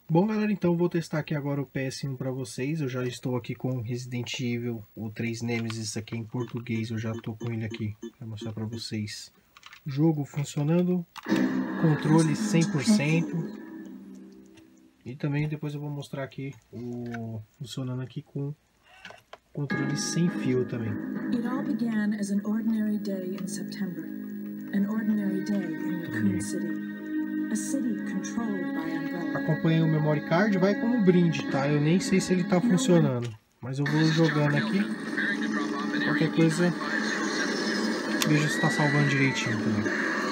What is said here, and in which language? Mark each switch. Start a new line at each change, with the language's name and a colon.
Portuguese: Bom, galera, então vou testar aqui agora o PS1 para vocês. Eu já estou aqui com Resident Evil, o 3 Nemesis aqui em português. Eu já estou com ele aqui para mostrar para vocês. Jogo funcionando, controle 100%. E também depois eu vou mostrar aqui o funcionando aqui com controle sem fio também.
English: It all began as an ordinary day in September. An ordinary day in Raccoon City. A city controlled by umbrella.
Portuguese: Acompanhei o memory card, vai como brinde, tá? Eu nem sei se ele tá funcionando, mas eu vou jogando aqui. Qualquer coisa, veja se tá salvando direitinho também.